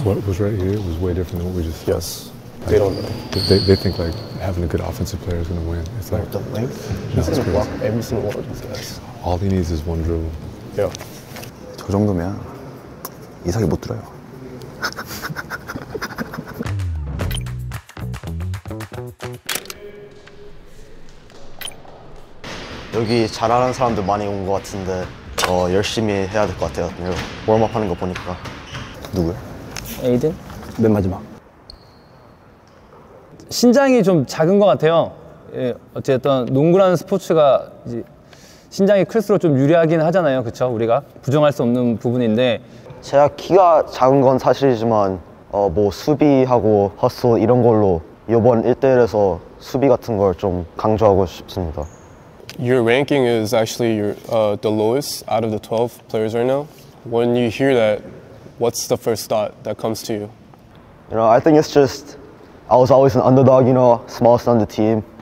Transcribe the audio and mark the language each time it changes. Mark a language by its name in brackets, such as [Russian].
[English] What was right here was way different than what we just... Yes. Like, they don't know. They think, like, having a good offensive player is going to win. It's like... The length? He's going to block every single one of these guys. All he needs is one dribble. Yeah. [Korean] 저 정도면 이삭이 못 들어요. 여기 잘하는 사람들 많이 온 것 같은데 열심히 해야 될 것 같아요. 워밍업 하는 거 보니까. 누구야? 에이든? 맨 마지막. 신장이 좀 작은 것 같아요. 예, 어쨌든 농구라는 스포츠가 이제 신장이 클수록 좀 유리하긴 하잖아요. 그렇죠? 우리가 부정할 수 없는 부분인데 제가 키가 작은 건 사실이지만 뭐 수비하고 허슬 이런 걸로 이번 1대1에서 수비 같은 걸 좀 강조하고 싶습니다. [English] Your ranking is actually the lowest out of the 12 players right now. When you hear that, what's the first thought that comes to you? You know, I think it's just I was always an underdog, you know, smallest on the team.